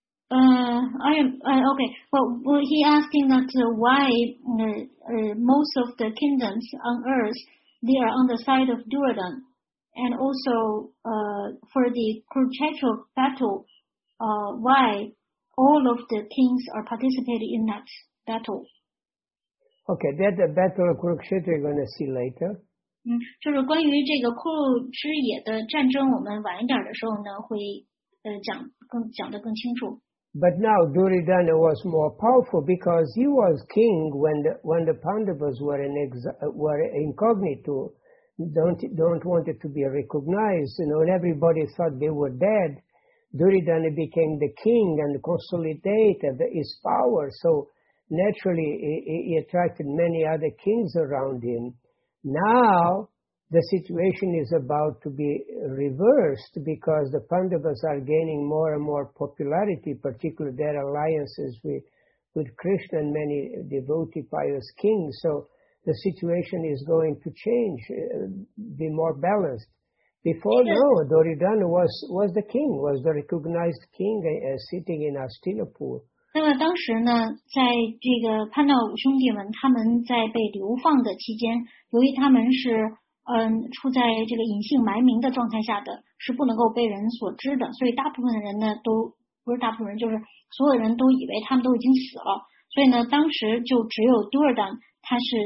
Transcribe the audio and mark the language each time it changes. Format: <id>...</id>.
<en>He asking that why most of the kingdoms on earth they are on the side of Duryodhan, and also for the Kurukshetra battle, why all of the kings are participating in that battle? Okay, that the battle of Kurukshetra we're going to see later.</en> <zh>就是关于这个库鲁之野的战争，我们晚一点的时候呢会讲得更清楚。</zh> <en>But now Duryodhana was more powerful because he was king when the Pandavas were incognito, don't wanted to be recognized, you know, and everybody thought they were dead. Duryodhana became the king and consolidated his power, so naturally he attracted many other kings around him. Now the situation is about to be reversed because the Pandavas are gaining more and more popularity, particularly their alliances with Krishna and many devoted pious kings. So the situation is going to change, be more balanced. Before, no, Duryodhana was the king, was the recognized king sitting in Hastinapur.</en> <zh>那么当时呢，在这个潘道五兄弟们他们在被流放的期间，由于他们是处在这个隐姓埋名的状态下的，是不能够被人所知的，所以大部分人呢都不是大部分人，就是所有人都以为他们都已经死了，所以呢，当时就只有 Duryodhan 他是</zh>